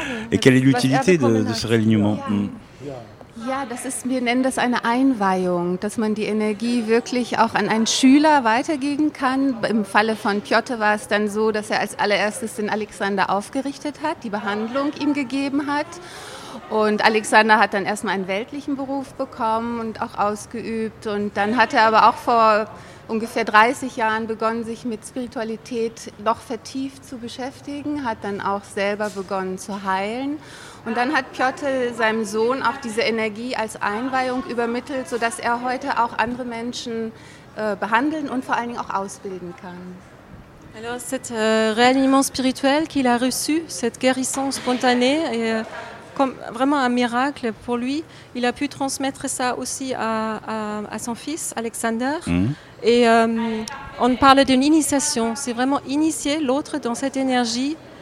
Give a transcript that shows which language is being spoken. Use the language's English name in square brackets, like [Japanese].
[French] Et quelle est l'utilité de ce réalignement? [German] Ja, wir nennen das eine Einweihung, dass man die Energie wirklich auch an einen Schüler weitergeben kann. Im Falle von Piotr war es dann so, dass er als allererstes den Alexander aufgerichtet hat, die Behandlung ihm gegeben hat. Und Alexander hat dann erstmal einen weltlichen Beruf bekommen und auch ausgeübt. Und dann hat er aber auch vor ungefähr 30 Jahren begonnen, sich mit Spiritualität noch vertieft zu beschäftigen, hat dann auch selber begonnen zu heilen. Und dann hat Piotr seinem Sohn auch diese Energie als Einweihung übermittelt, sodass er heute auch andere Menschen behandeln und vor allen Dingen auch ausbilden kann. [French] Alors cet réalignement spirituel qu'il a reçu, cette guérison spontanée, comme vraiment un miracle pour lui, il a pu transmettre ça aussi à son fils Alexander. Et on parle d'une initiation, c'est vraiment initier l'autre dans cette énergie